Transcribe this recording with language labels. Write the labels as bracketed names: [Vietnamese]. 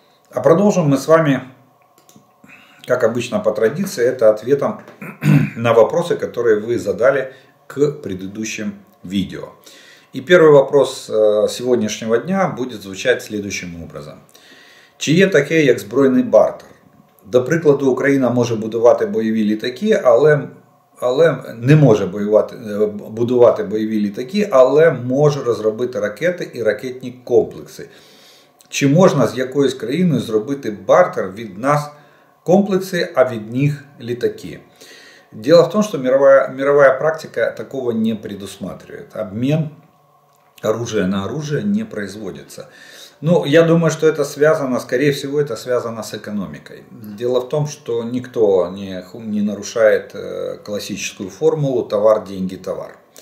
[Russian] А продолжим мы с вами, как обычно по традиции, это ответом на вопросы, которые вы задали к предыдущим видео. И первый вопрос сегодняшнего дня будет звучать следующим образом. [Ukrainian] Чи є таке, як збройний бартер? До прикладу, Україна може будувати бойові літаки, але не може будувати бойові літаки, але може розробити ракети і ракетні комплекси. Чи можна з якоюсь країною зробити бартер від нас комплекси, а від них літаки? [Russian] Дело в том, что мировая практика такого не предусматривает. Обмен оружия на оружие не производится. Ну, я думаю, что это связано, скорее всего, это связано с экономикой. Дело в том, что никто не нарушает классическую формулу «товар, деньги, товар».